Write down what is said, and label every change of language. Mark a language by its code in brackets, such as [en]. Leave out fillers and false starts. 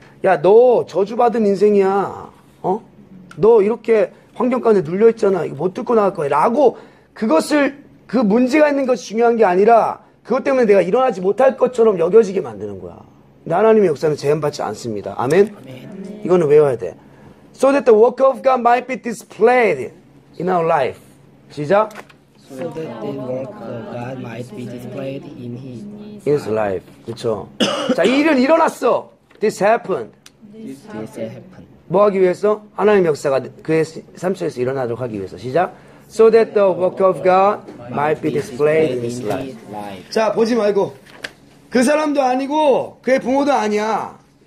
[ko] 야, 너 저주받은 인생이야. 어? 너 이렇게 환경 가운데 눌려있잖아. 이거 못 듣고 나갈 거야. 라고 그것을 그 문제가 있는 것이 중요한 게 아니라 그것 때문에 내가 일어나지 못할 것처럼 여겨지게 만드는 거야. 근데 하나님의 역사는 제한받지 않습니다. 아멘? 아멘. 이거는 외워야 돼. [en] So that the work of God might be displayed in our life. [ko] 시작. [en] So that the work of God might be displayed in his life. His life. [ko] 그렇죠. 자, 이 일은 일어났어. [en] This happened. This happened. [ko] 뭐 하기 위해서? 하나님의 역사가 그의 삶 속에서 일어나도록 하기 위해서. 시작. [en] So that the work of God might be displayed in his life. [ko] 자, 보지 말고. 그 사람도 아니고 그의 부모도 아니야.